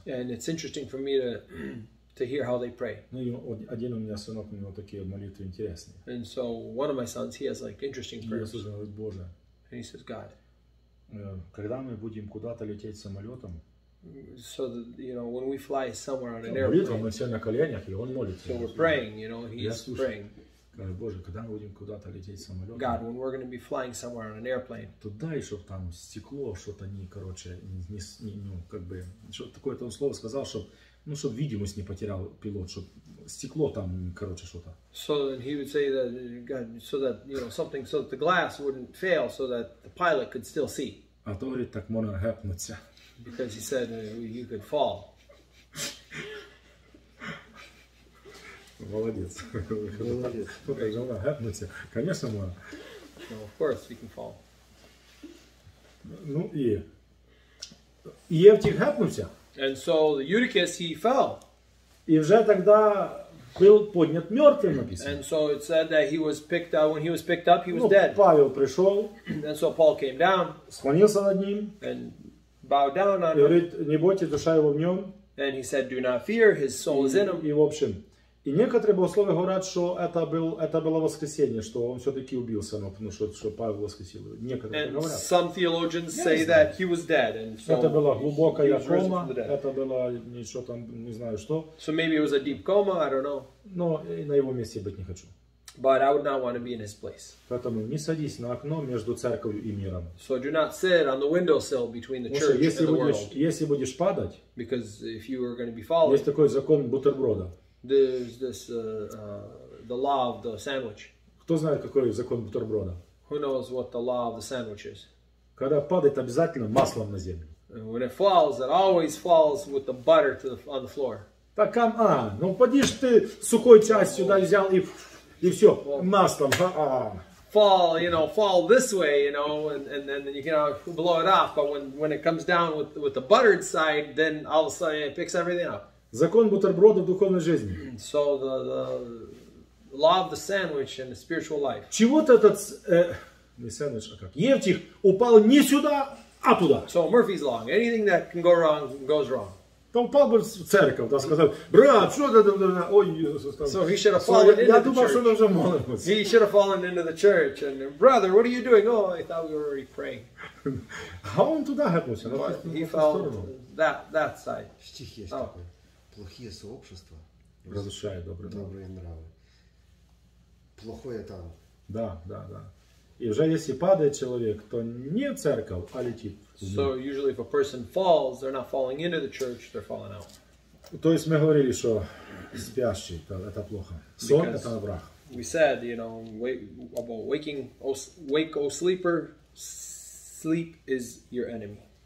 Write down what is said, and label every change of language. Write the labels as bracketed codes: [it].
[en] And it's interesting for me to hear how they pray. [ru] Ну, один у меня сынок, у него такие молитвы интересные. [en] And so one of my sons, he has like interesting prayers. [ru] И я слушаю, Боже. [en] And he says, God. [ru] Когда мы будем куда-то лететь самолетом? [en] So that, you know, when we fly somewhere on an airplane. [ru] Молитва, мы все на коленях, и он молится. [en] So we're praying, you know, he's praying. [ru] Говорю, Боже, когда мы будем куда-то лететь самолетом? [en] God, when we're going to be flying somewhere on an airplane. [ru] Туда, и чтоб там стекло, что-то не, короче, не, как бы, что такое, то он слово сказал, чтоб. Ну, чтобы видимость не потерял пилот, чтобы стекло там, короче, что-то. [en] So then he would say that, God, so that, you know, something, so that the glass wouldn't fail, so that the pilot could still see. [ru] А то, говорит, так можно гепнуться. [en] Because he said you could fall. [ru] Молодец. Молодец. Можно гепнуться. Конечно, можно. [en] Of course, we can fall. [ru] Ну и... И Евтих гепнулся. [en] And so the Eutychus, he fell. [ru] И уже тогда был поднят мертвым, написано. [en] And so it said that he was picked up, when he was picked up, he was dead. [ru] Ну, Павел пришел. [en] And so Paul came down. [ru] Склонился над ним. [en] And bowed down on him. [ru] И говорит, не бойтесь, душа его в нем. [en] And he said, do not fear, his soul is in him. [ru] И в общем, и некоторые богословы говорят, что это было воскресение, что он все-таки убился, но потому что Павел воскресил. Некоторые [en] and [ru] говорят. [en] Some theologians say that he was dead. And so [ru] это была глубокая кома, это было ничего там, не знаю что. [en] So maybe it was a deep coma, I don't know. [ru] Но на его месте быть не хочу. [en] But I would not want to be in his place. [ru] Поэтому не садись на окно между церковью и миром. [en] So do not sit on the windowsill between the church and the world. [ru] Если будешь падать, [en] because if you are going to be falling, [ru] есть такой закон бутерброда. [en] There's this the law of the sandwich. [ru] Кто знает, какой закон бутерброда? [en] Who knows what the law of the sandwich is? [ru] Когда падает, обязательно маслом на землю. [en] And when it falls, it always falls with the butter on the floor. [ru] Так, ну поди ж ты сухой частью сюда взял и все, маслом. [en] Fall, you know, fall this way, you know, and then you can blow it off. But when it comes down with the buttered side, then all of a sudden it picks everything up. [ru] Закон бутерброда в духовной жизни. [en] So the law of the sandwich in the spiritual life. [ru] Чего-то этот не сэндвич, а как? Евтих упал не сюда, а туда. [en] So Murphy's law. Anything that can go wrong goes wrong. [ru] Там упал бы в церковь, да, сказал, брат, что это, да, ой, [en] so he should have fallen into the church. [ru] Я думал, что он уже молился. [en] He should have fallen into the church, and brother, what are you doing? Oh, I thought we were already praying. [ru] А он туда гепнулся, на [en] he fell that side. [ru] Стих есть такой. Плохие сообщества разрушают добрые нравы. Плохое там. Да, да, да. И уже если падает человек, то не в церковь, а летит. [en] So usually if a person falls, they're not falling into the church, they're falling out. [ru] То есть мы говорили, что спящий, это плохо. Сон – это враг. [en] We said, you know, about waking, wake, O sleeper, sleep is your enemy.